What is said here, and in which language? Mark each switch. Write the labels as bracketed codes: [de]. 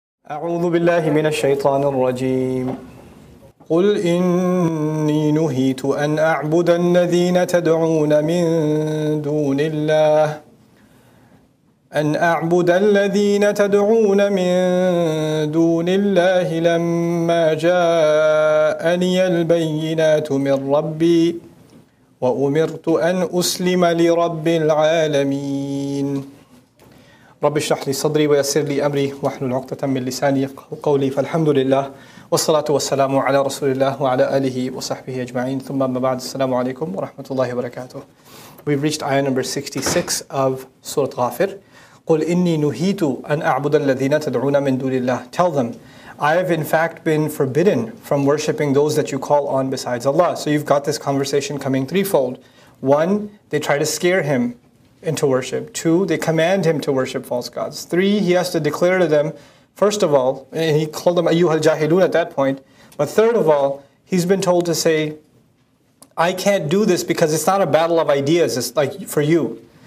[ar] أعوذ بالله من الشيطان الرجيم قل إني نهيت أن أعبد الذين تدعون من دون الله أن أعبد الذين تدعون من دون الله لما جاءني البينات من ربي وأمرت أن أسلم لرب العالمين رب اشرح لي صدري ويسر لي امري واحلل عقدة من لساني يفقهوا قولي فالحمد لله والصلاة والسلام على رسول الله وعلى آله وصحبه اجمعين ثم ما بعد السلام عليكم ورحمة الله وبركاته. [en] We've reached ayah number 66 of Surah Ghafir. [ar] قل إني نهيت أن أعبد الذين تدعون من دون الله. [en] Tell them, I have in fact been forbidden from worshipping those that you call on besides Allah. So you've got this conversation coming threefold. One, they try to scare him into worship. Two, they command him to worship false gods. Three, he has to declare to them, first of all, and he called them ayyuhal jahilun at that point, but third of all, he's been told to say, I can't do this because it's not a battle of ideas. It's like for you.